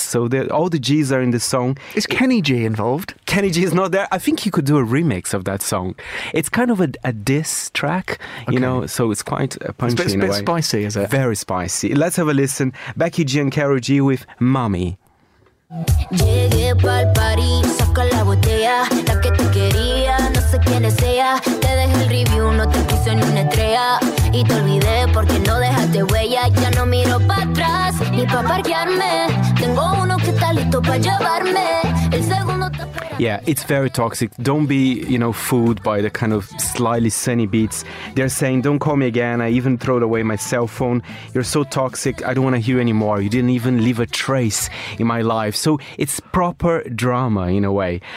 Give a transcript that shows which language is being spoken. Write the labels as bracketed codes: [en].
[en] So all the G's are in this song. Is Kenny G involved? Kenny G is not there. I think he could do a remix of that song. It's kind of a diss track, okay. You know, so it's quite punchy it's in a way. It's a bit spicy, is it? Very spicy. Let's have a listen. Becky G and Karol G with Mommy. [es] Llegué pa'l party, saca la botella, la que te quería, no sé quién es ella. Te dejé el review, no te puse ni una estrella. Y te olvidé porque no dejaste huella. Ya no miro pa' atrás, ni pa' parquearme. Tengo uno que está listo pa' llevarme. El segundo está fuera. [en] Yeah, it's very toxic. Don't be, you know, fooled by the kind of slightly sunny beats. They're saying, don't call me again. I even throw away my cell phone. You're so toxic. I don't want to hear anymore. You didn't even leave a trace in my life. So it's proper drama in a way.